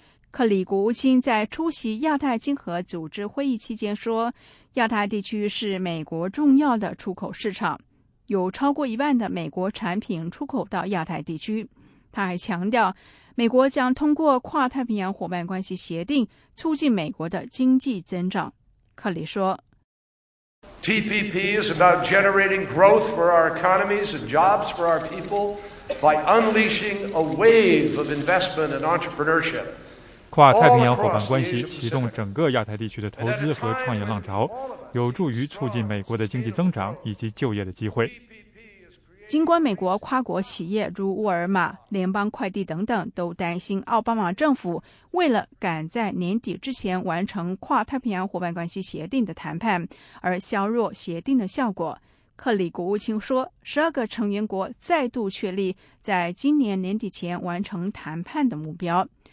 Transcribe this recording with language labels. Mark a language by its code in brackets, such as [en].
[zh] 克里国务卿在出席亚太经合组织会议期间说，亚太地区是美国重要的出口市场，有超过一半的美国产品出口到亚太地区。他还强调，美国将通过跨太平洋伙伴关系协定促进美国的经济增长。克里说 [en] TPP is about generating growth for our economies and jobs for our people by unleashing a wave of investment and entrepreneurship。 [zh] 跨太平洋伙伴关系启动整个亚太地区的投资和创业浪潮，有助于促进美国的经济增长以及就业的机会。尽管美国跨国企业如沃尔玛、联邦快递等等都担心奥巴马政府为了赶在年底之前完成跨太平洋伙伴关系协定的谈判而削弱协定的效果，克里国务卿说，12个成员国再度确立在今年年底前完成谈判的目标。